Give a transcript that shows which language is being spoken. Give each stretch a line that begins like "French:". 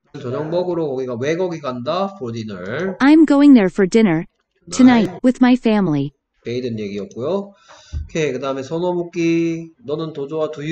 Korean: 저녁 먹으러 거기가 왜 거기 간다?
English: For dinner. I'm going there for dinner tonight with my family.
Korean: 베이든 얘기였고요. 오케이 그 다음에 선호 묻기 너는 더 좋아